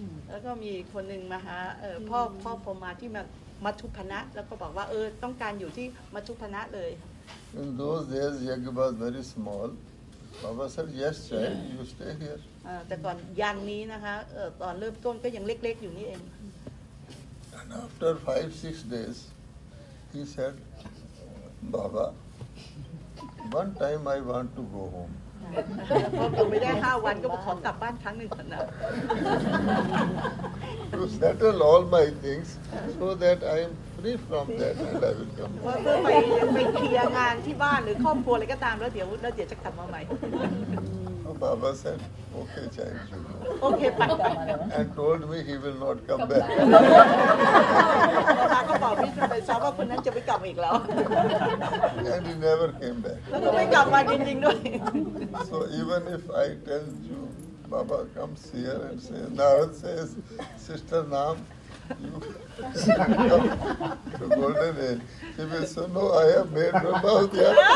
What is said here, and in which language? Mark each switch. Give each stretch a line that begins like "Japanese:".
Thai: แล้วก็มีคนหนึ่งมาหาพ่อพรหมาที่มัทุพนะแล้วก็บอกว่าต้องการอยู่ที่มัทุพนะเลย
English: In those days yagya was very small Baba said yes child you stay here
Thai: แต่ก่อนยังนี้นะคะตอนเริ่มต้นก็ยังเล็กๆอยู่นี่เอง
English: And after 5-6 days he said Baba one time I want to go home
Thai: พอกลับไม่ได้5วันก็บอกขอกลับบ้านครั้งหนึ่งนะ
English: To settle all my things so that I'm free from that and I will come back.
Thai: ว่าไปเคลียร์งานที่บ้านหรือครอบครัวอะไรก็ตามแล้วเดี๋ยวจะกลับมาใหม่
English: Baba said okay thank you
Thai: okay ไป
English: and told me he will not come back
Thai: ก็บอกพี่จะไปทราบว่าคนนั้นจะไม่กลับอีกแล้ว
English: and he never came back
Thai: แล้วก็ไม่กลับมาจริงๆด้วย
English: so even if I tell you Baba comes here and says Narad says sister Nam you go to the he will say no I have made no mouth yet